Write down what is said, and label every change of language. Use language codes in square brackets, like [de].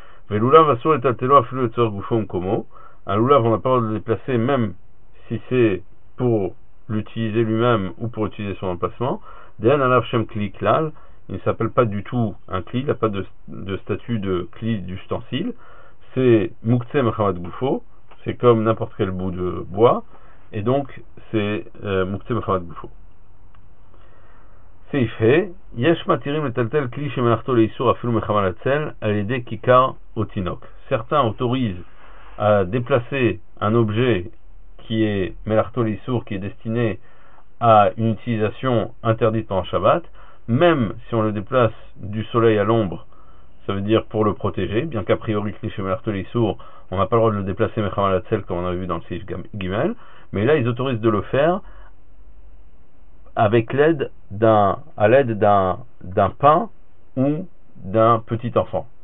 [fr] Mais l'oulav assur et taltelo afilu et tzor goufo mkomo, un l'oulav on n'a pas le droit de le déplacer même si c'est pour l'utiliser lui-même ou pour utiliser son emplacement. Dehan alav shem kli klal, il ne s'appelle pas du tout un kli, il n'a pas de statut de kli d'ustensile, c'est mouktsé mechamed goufo, c'est comme n'importe quel bout de bois. Et donc, c'est Mouktsé Mechamat Goufo. [he] סעיף ה, יש מתירים לטלטל כלי שמלאכתו לאיסור אפילו מחמת הצל על ידי כיכר או תינוק. [fr] Certains autorisent à déplacer un objet qui est melachto l'issour, qui est destiné à une utilisation interdite pendant Shabbat, même si on le déplace du soleil à l'ombre, ça veut dire pour le protéger, bien qu'a priori kli shemelachto l'issour, on n'a pas le droit de le déplacer mechamal atzel comme on avait vu dans le Seif Gimel, mais là ils autorisent de le faire avec l'aide d'un, à l'aide d'un, d'un pain ou d'un petit enfant.